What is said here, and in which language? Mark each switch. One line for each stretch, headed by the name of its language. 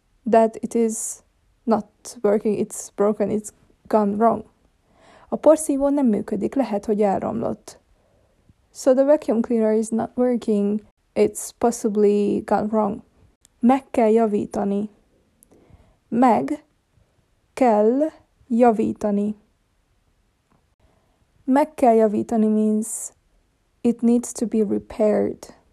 English: That it is not working, it's broken, it's gone wrong.
Hungarian: A porszívó nem működik, lehet, hogy elromlott.
English: So the vacuum cleaner is not working, it's possibly gone wrong.
Hungarian: Meg kell javítani. Meg kell javítani. Meg kell javítani
English: means it needs to be repaired.